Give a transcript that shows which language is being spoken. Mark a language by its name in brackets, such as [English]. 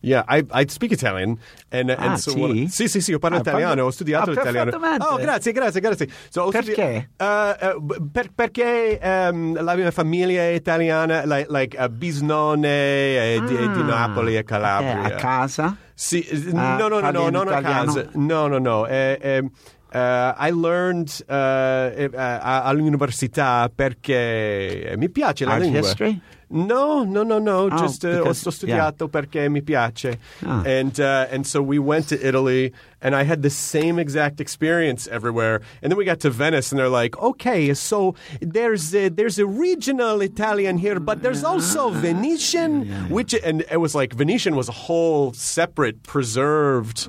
[English] Yeah, I speak Italian, and so well, [Italian] sì, io parlo italiano, ho studiato italiano. Oh, grazie. So perché? Perché la mia famiglia è italiana, like bisnonne di Napoli e Calabria. A casa? Sì, no, non a casa. No. [English] I learned [Italian] all'università perché mi piace la [English] Art [Italian] lingua. [English] History? No. [Italian] Oh, just ho studiato perché mi piace. [English] Oh. And so we went to Italy, and I had the same exact experience everywhere. And then we got to Venice, and they're like, okay, so there's a regional Italian here, but there's also Venetian, which – and it was like Venetian was a whole separate, preserved